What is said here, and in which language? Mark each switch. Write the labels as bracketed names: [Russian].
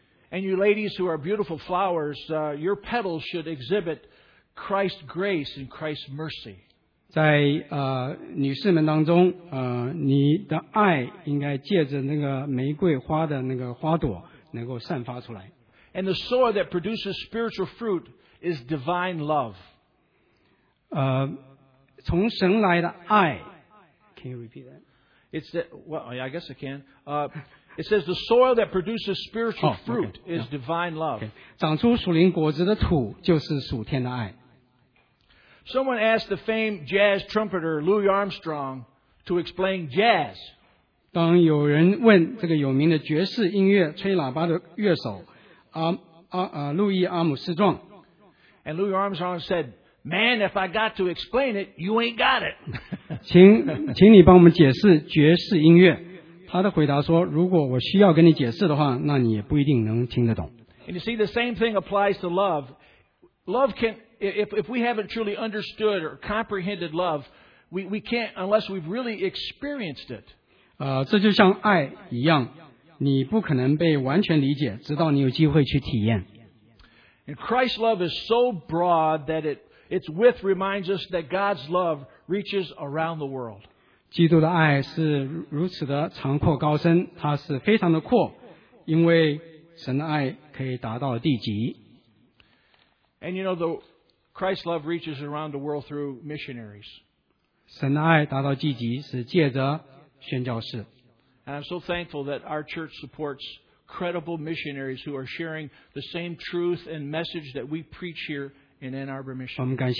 [English] And you ladies who are beautiful flowers, your petals should exhibit Christ's grace and Christ's mercy. [Chinese] 在女士们当中，你的爱应该借着那个玫瑰花的那个花朵能够散发出来。 [English] And the soil that produces spiritual fruit is divine love. [Chinese] 从神来的爱。 [English] Can you repeat that? It says the soil that produces spiritual fruit is divine love. Okay. [Chinese] 长出属灵果子的土就是属天的爱。 [English] Someone asked the famed jazz trumpeter Louis Armstrong to explain jazz. [Chinese] 当有人问这个有名的爵士音乐吹喇叭的乐手路易阿姆斯壮。 [English] And Louis Armstrong said, "Man, if I got to explain it, you ain't got it." [Chinese] 请你帮我们解释爵士音乐。他的回答说，如果我需要跟你解释的话，那你也不一定能听得懂。 [English] And you see, the same thing applies to love. Love can, if we haven't truly understood or comprehended love, we can't unless we've really experienced it. [Chinese] 这就像爱一样，你不可能被完全理解，直到你有机会去体验。 [English] And Christ's love is so broad that its width reminds us that God's love reaches around the world. [Chinese] 基督的爱是如此的长阔高深, 它是非常的阔, 因为神的爱可以达到地极。 [English] And you know, Christ's love reaches around the world through missionaries. [Chinese] 神的爱达到地极是借着宣教士。 [English] And I'm so thankful that our church supports credible missionaries who are sharing the same truth and message that we preach here in Ann Arbor Mission.